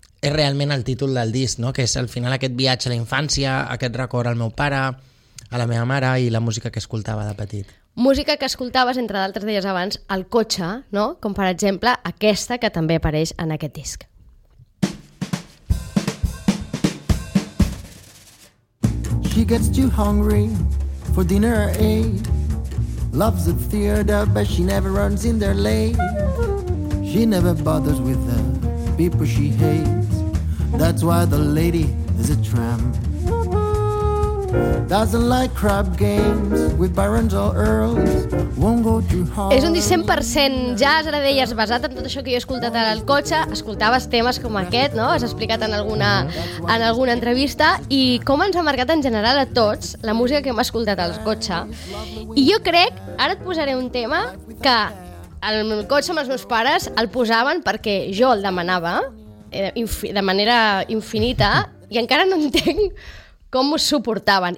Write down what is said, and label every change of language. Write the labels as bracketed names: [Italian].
[Catalan] és realment el títol del disc, no? Que és al final aquest viatge a la infància, aquest record al meu pare, a la meva mare i la música que escoltava de petit. Música que escoltaves, entre d'altres deies abans, al cotxe, no? Com per exemple aquesta que també apareix en aquest disc. [English] She gets too hungry for dinner at 8. Loves the theater, but she never runs in there late. She never bothers with the people she hates. That's why the lady is a tramp. Doesn't like crab games with barons or earls. Won't go to Harlem. [Catalan] És un 100% jazz, ara deies, basat en tot això que jo he escoltat ara al cotxe. Escoltaves temes com aquest, no? Has explicat en alguna entrevista. I com ens ha marcat en general a tots la música que hem escoltat al cotxe. I jo crec, ara et posaré un tema que al cotxe amb els meus pares el posaven perquè jo el demanava de manera infinita i encara no entenc com us suportaven.